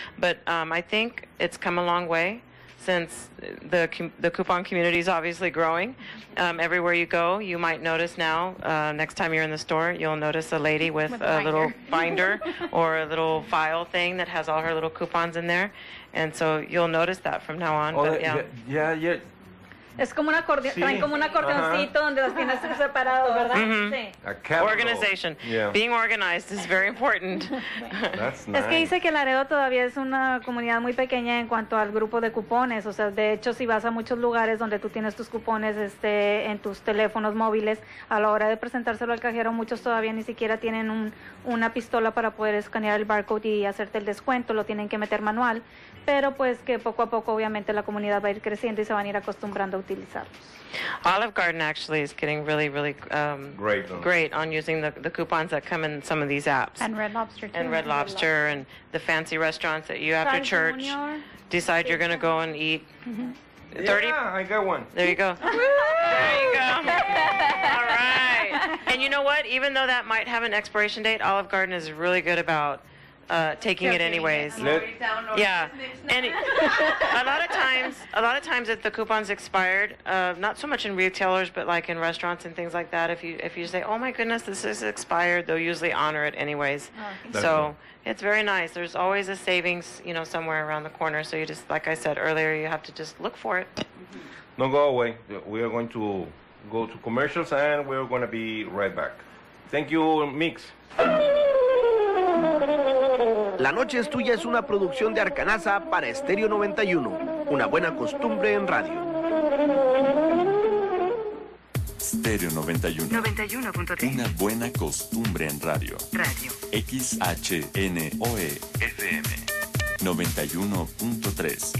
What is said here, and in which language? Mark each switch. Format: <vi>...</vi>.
<en>But I think it's come a long way. Since the coupon community is obviously growing, everywhere you go, you might notice now, next time you're in the store, you'll notice a lady with a binder. Little binder or a little file thing that has all her little coupons in there. And so you'll notice that from now on. But, yeah.</en> <es>Es como un acordeón, sí. Traen como un acordeoncito uh-huh. donde los tienes separados, ¿verdad? Mm-hmm. Sí.</es> <en>Organization. Yeah. Being organized is very important. That's nice.</en> <es>Es que dice que Laredo todavía es una comunidad muy pequeña en cuanto al grupo de cupones. O sea, de hecho, si vas a muchos lugares donde tú tienes tus cupones en tus teléfonos móviles, a la hora de presentárselo al cajero, muchos todavía ni siquiera tienen una pistola para poder escanear el barcode y hacerte el descuento. Lo tienen que meter manual. Pero pues que poco a poco, obviamente, la comunidad va a ir creciendo y se van a ir acostumbrando.</es> <en>Olive Garden actually is getting really, really great on using the coupons that come in some of these apps. And Red Lobster, too. And Red Lobster and the fancy restaurants that you, after church, decide you're going to go and eat. Mm-hmm. 30? Yeah, I got one. There you go. There you go. All right. And you know what? Even though that might have an expiration date, Olive Garden is really good about taking it anyways. A lot of times if the coupon's expired, not so much in retailers, but like in restaurants and things like that, if you say, oh my goodness, this is expired, they'll usually honor it anyways. So it's very nice. There's always a savings, you know, somewhere around the corner. So you just, like I said earlier, you have to just look for it. Don't go away. We are going to go to commercials and we're going to be right back. Thank you, Mix.</en> <es>La Noche es Tuya es una producción de Arcanaza para Estéreo 91. Una buena costumbre en radio. Estéreo 91. 91.3. Una buena costumbre en radio. Radio. XHNOE FM. 91.3.</es>